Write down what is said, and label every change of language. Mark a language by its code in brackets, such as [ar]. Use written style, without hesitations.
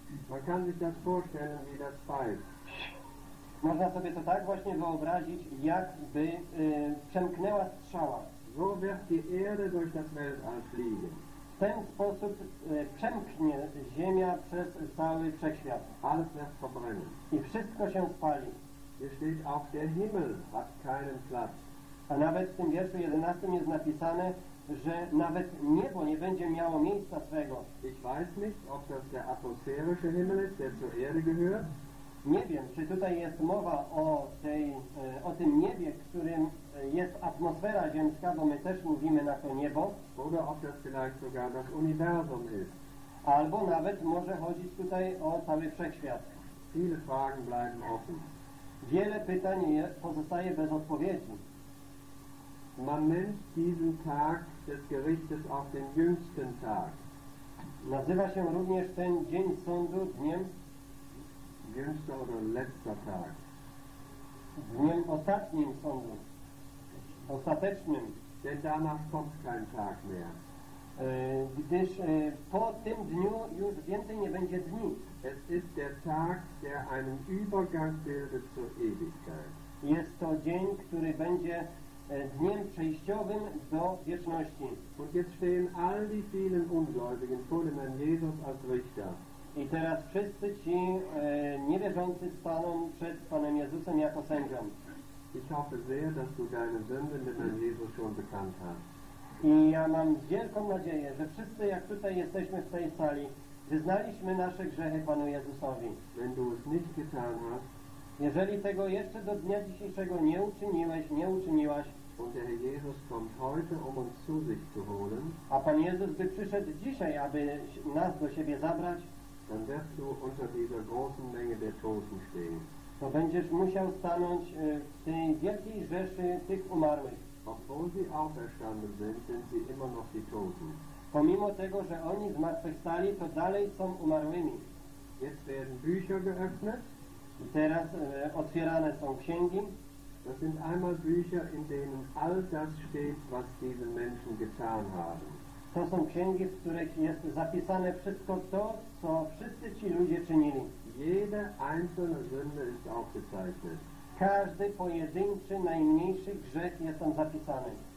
[de] Man kann sich das vorstellen, wie das pfeift. [pl] Można sobie to tak właśnie wyobrazić, jakby przemknęła strzała. [de] So wird die Erde durch das Weltall fliegen. [pl] W ten sposób przemknie ziemia przez cały wszechświat. [de] Alles wird verbrennen. [pl] I wszystko się spali. [de] Hier steht auch der Himmel hat keinen Platz. [pl] A nawet w tym wierszu 11 jest napisane, że nawet niebo nie będzie miało miejsca swego. [de] Ich weiß nicht, ob das der atmosphärische Himmel ist, der zur Erde gehört. [pl] Nie wiem, czy tutaj jest mowa o tym niebie, którym jest atmosfera ziemska, bo my też mówimy na to niebo. [de] Oder ob das vielleicht sogar das Universum ist. [pl] Albo nawet może chodzić tutaj o cały wszechświat. [de] Viele Fragen bleiben offen. [pl] Wiele pytań pozostaje bez odpowiedzi. [de] Man nennt diesen Tag des Gerichtes auch den jüngsten Tag. [pl] Nazywa się również ten dzień sądu dniem. [de] Jüngster oder letzter Tag. [pl] Dniem ostatnim sądu. Ostatecznym. [de] Denn danach kommt kein Tag mehr. [pl] Gdyż po tym dniu już więcej nie będzie dni. [de] Es ist der Tag, der einen Übergang bildet zur Ewigkeit. [pl] Jest to dzień, który będzie dniem przejściowym do wieczności. [de] Und jetzt stehen all die vielen Ungläubigen vor dem Herrn Jesus als Richter. [pl] I teraz wszyscy ci niewierzący staną przed Panem Jezusem jako sędzią. [de] Ich hoffe sehr, dass du deine Sünde mit deinem Jesus schon bekannt hast. [pl] I ja mam wielką nadzieję, że wszyscy, jak tutaj jesteśmy w tej sali, wyznaliśmy nasze grzechy Panu Jezusowi. [de] Wenn du es nicht getan hast, [pl] jeżeli tego jeszcze do dnia dzisiejszego nie uczyniłeś, nie uczyniłaś, [de] und der Herr Jesus kommt heute, um uns zu sich zu holen, [pl] a Pan Jezus by przyszedł dzisiaj, aby nas do siebie zabrać, [de] dann wirst du unter dieser großen Menge der Toten stehen. [pl] to będziesz musiał stanąć w tej wielkiej rzeszy tych umarłych. [de] Obwohl sie auferstanden sind, sind sie immer noch die Toten. [pl] Pomimo tego, że oni zmartwychwstali, to dalej są umarłymi. [de] Jetzt werden Bücher geöffnet. [pl] Teraz otwierane są księgi. [de] Das sind einmal Bücher, in denen all das steht, was diese Menschen getan haben. [pl] To są księgi, w których jest zapisane wszystko to, co wszyscy ci ludzie czynili. [de] Jede einzelne Sünde ist aufgezeichnet. [pl] Każdy pojedynczy, najmniejszy grzech jest tam zapisany.